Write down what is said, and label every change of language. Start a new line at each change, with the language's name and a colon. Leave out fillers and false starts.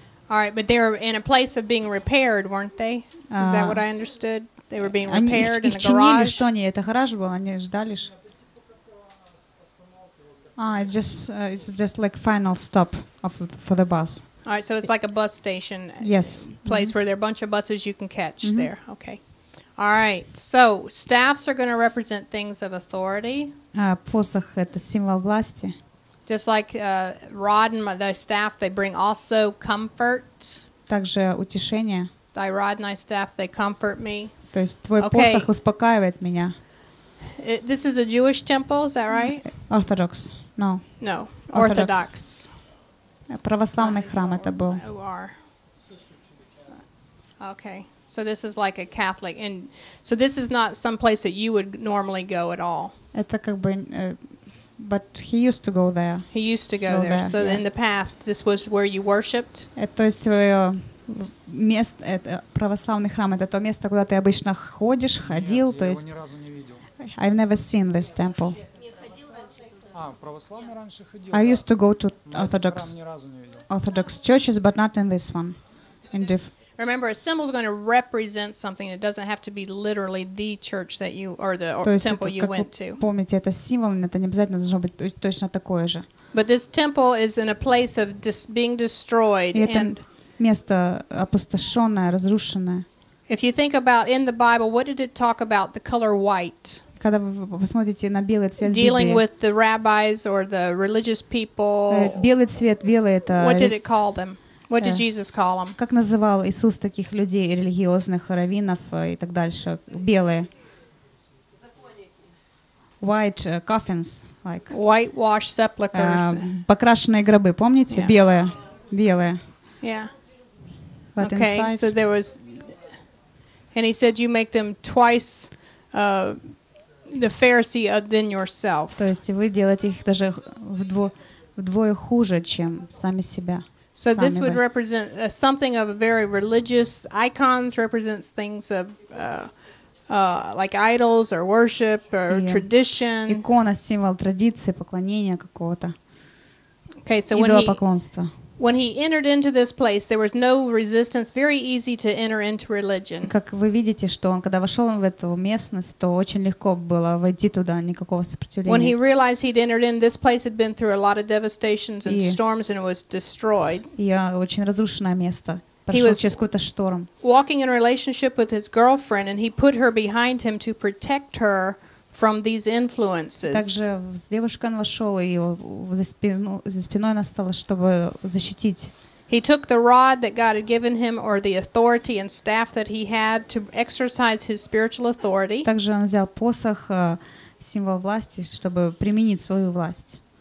English: All right, but they were in a place of being repaired, weren't they? Is that what I understood? They were being repaired in the garage.
Russian: Они чинили, что они это гараж был, они ждали.
English: It's just like final stop for the bus. All right, so it's like a bus station. Yes. Place mm-hmm. where there are a bunch of buses you can catch mm-hmm. there. Okay. All right. So staffs are going to represent things of authority.
Russian: Посох – это символ власти.
English: Just like rod and my, the staff, they bring also comfort.
Russian: Также утешение.
English: Thy rod and thy staff, they comfort me.
Russian: То есть твой
English: okay.
Russian: посох успокаивает меня.
English: This is a Jewish temple, is that right? Orthodox. No. No. Orthodox.
Russian: Православный храм это был.
English: O-R. Okay. So this is like a Catholic. And so this is not some place that you would normally go at all.
Russian: Это как бы,
English: but he used to go there. He used to go there. So yeah. In the past, this was where you worshipped?
Russian: То есть твое место, это православный храм, это то место, куда ты обычно ходишь, ходил. Нет, то я есть, его ни разу не видел.
English: I've never seen this temple.
Russian: Ходил,
English: I used to go to Orthodox churches, but not in this one. Remember, a symbol is going to represent something. It doesn't have to be literally the church that you or the temple you went to.
Russian: Помните, это символ, это не обязательно должно быть точно такое же.
English: But this temple is in a place of being destroyed, and
Russian: место опустошенное, разрушенное.
English: If you think about in the Bible, what did it talk about the color white?
Russian: Когда вы посмотрите на белый цвет Библии.
English: Dealing with the rabbis or the religious people.
Russian: Белый цвет, белый это.
English: What did it call them? What did Jesus call them?
Russian: Как называл Иисус таких людей, религиозных раввинов и так дальше, белые?
English: White coffins, like. Whitewashed sepulchres.
Russian: Покрашенные гробы, помните?
English: Yeah.
Russian: Белые, белые.
English: Yeah. But okay, inside, so there was. And he said, "You make them twice the Pharisee than yourself."
Russian: То есть вы делаете их даже вдвое хуже, чем сами себя.
English: So this would represent something of a very religious icons represents things of like idols or worship or tradition.
Russian: Икона символ традиции, поклонения какого-то.
English: Okay, so when he entered into this place, there was no resistance. Very easy to enter into religion.
Russian: Как вы видите, что он когда вошел в эту местность, то очень легко было войти туда, никакого сопротивления.
English: When he realized he'd entered in, this place had been through a lot of devastations and storms, and it was destroyed.
Russian: Я очень разрушенное место. Прошел
English: he was
Russian: через какой-то шторм.
English: Walking in a relationship with his girlfriend, and he put her behind him to protect her from these influences.
Russian: Также с девушкой он вошел и за спиной она стала, чтобы защитить.
English: He took the rod that God had given him, or the authority and staff that he had, to exercise his spiritual authority.
Russian: Также он взял посох, символ власти, чтобы применить свою власть.